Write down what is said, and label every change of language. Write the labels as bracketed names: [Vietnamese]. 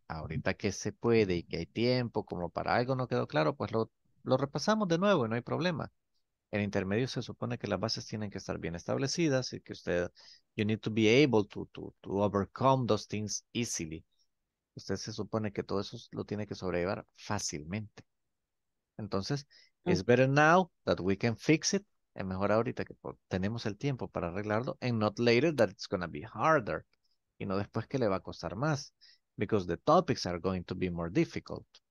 [Spanish] Ahorita que se puede y que hay tiempo, como para algo no quedó claro, pues lo repasamos de nuevo y no hay problema. En intermedio se supone que las bases tienen que estar bien establecidas y que usted, [English] you need to be able to overcome those things easily. [Spanish] Usted se supone que todo eso lo tiene que sobrellevar fácilmente. [English] Entonces, it's better now that we can fix it. [Spanish] Es mejor ahorita que tenemos el tiempo para arreglarlo. [English] And not later that it's going to be harder. [Spanish] Y no después que le va a costar más. [English] Because the topics are going to be more difficult.